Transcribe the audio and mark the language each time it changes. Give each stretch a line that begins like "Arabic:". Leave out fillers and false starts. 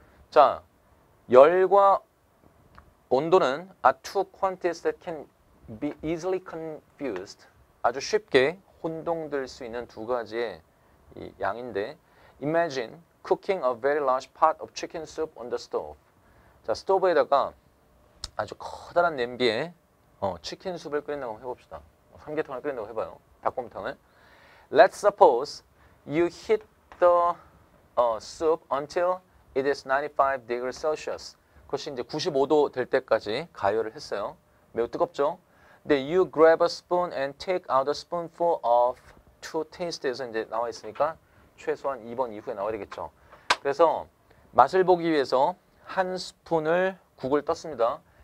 Korean: 자 열과 온도는
English: are two quantities that can be easily confused
Korean: 아주 쉽게 혼동될 수 있는 두 가지의 이 양인데
English: Imagine cooking a very large pot of chicken soup on the stove.
Korean: 자, 스토브에다가 아주 커다란 냄비에 치킨 수프를 끓인다고 해봅시다. 삼계탕을 끓인다고 해봐요. 닭곰탕을.
English: Let's suppose you heat the soup until it is 95 degrees Celsius.
Korean: 그것이 이제 95도 될 때까지 가열을 했어요. 매우 뜨겁죠?
English: Then you grab a spoon and take out a spoonful of two tastes에서
Korean: 이제 나와 있으니까 최소한 2번 이후에 나와야 되겠죠. 그래서 맛을 보기 위해서 한 스푼을 국을 떴습니다.